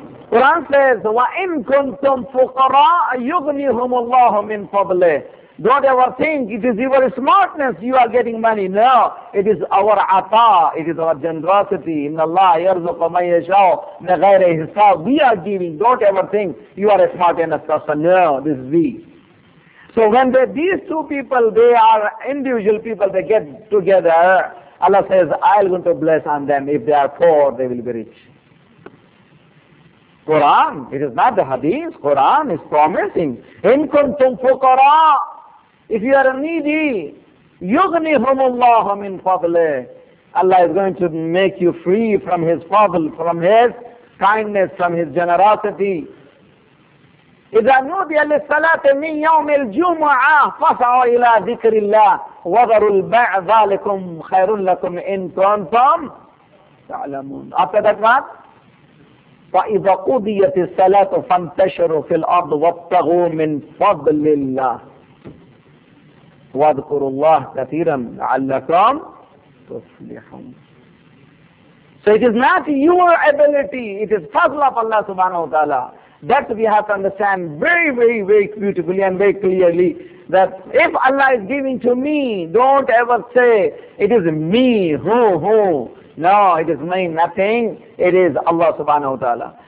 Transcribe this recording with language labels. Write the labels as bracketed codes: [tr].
[en] Quran says, [ar] وَإِن كُنْتُمْ فُقَرَاءَ يُغْنِيهُمُ اللَّهُ مِنْ فَضْلِهِ. [en] Don't ever think it is your smartness you are getting money. No, it is our ata, it is our generosity. [ar] إِنَّ اللَّهَ يَرْزُقَ مَنْ يَشَاءُ مِغَيْرِ حِسَابٍ. [en] We are giving. Don't ever think you are a smart enough person. No, this is we. So when these two people, they are individual people, they get together, Allah says, I'm going to bless on them. If they are poor, they will be rich. Quran, it is not the hadith, Quran is promising. [ar] In kuntum fuqara, [en] if you are needy, [ar] yughnihum Allahu min fadli. [en] Allah is going to make you free from His fadl, from His kindness, from His generosity. [ar] إذا نودي للصلاة من يوم الجمعة فسعوا إلى ذكر الله وذروا البيع ذلكم خير لكم إن كنتم تعلمون. [en] After that what? [ar] فإذا قضيت الصلاة فانتشروا في الأرض وابتغوا من فضل الله واذكروا الله كثيرا لعلكم تفلحون. [en] So it is not your ability, it is fadl of Allah subhanahu wa ta'ala. That we have to understand very, very, very beautifully and very clearly, that if Allah is giving to me, don't ever say, it is me, who. No, it is me, nothing. It is Allah subhanahu wa ta'ala.